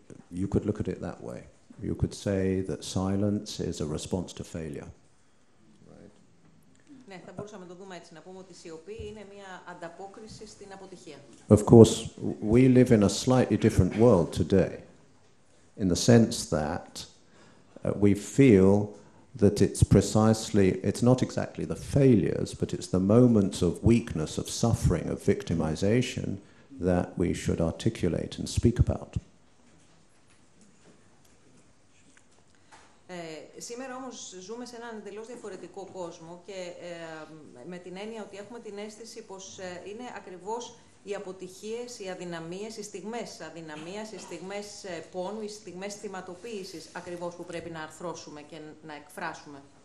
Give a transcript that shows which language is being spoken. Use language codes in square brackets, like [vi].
[en] You could look at it that way. You could say that silence is a response to failure. Right. [el] Ναι, θα μπορούσαμε να το δούμε έτσι, να πούμε ότι η σιωπή είναι μια ανταπόκριση στην αποτυχία. [en] Of course, we live in a slightly different world today, in the sense that we feel that it's precisely, it's not exactly the failures, but it's the moments of weakness, of suffering, of victimization that we should articulate and speak about. [el] Σήμερα όμως ζούμε σε έναν εντελώς διαφορετικό κόσμο και με την έννοια ότι έχουμε την αίσθηση πως είναι ακριβώς οι αποτυχίες, οι αδυναμίες, οι στιγμές αδυναμίας, οι στιγμές πόνου, οι στιγμές θυματοποίησης ακριβώς που πρέπει να αρθρώσουμε και να εκφράσουμε.